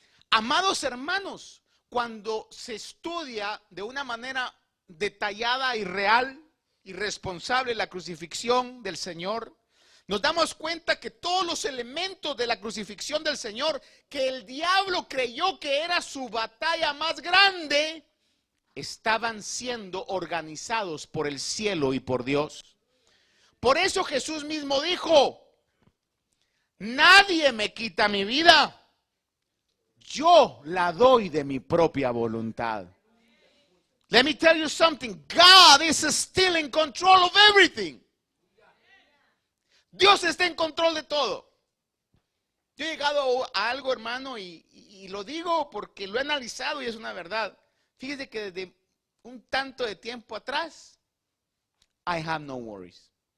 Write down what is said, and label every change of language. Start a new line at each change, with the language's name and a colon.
Spanish: Amados hermanos, cuando se estudia de una manera detallada y real y responsable la crucifixión del Señor, nos damos cuenta que todos los elementos de la crucifixión del Señor, que el diablo creyó que era su batalla más grande, estaban siendo organizados por el cielo y por Dios. Por eso Jesús mismo dijo, nadie me quita mi vida, yo la doy de mi propia voluntad.
English: Let me tell you something, God is still in control of everything.
Spanish: Dios está en control de todo. Yo he llegado a algo, hermano, y lo digo porque lo he analizado y es una verdad. Fíjese que desde un tanto de tiempo atrás, I have no worries.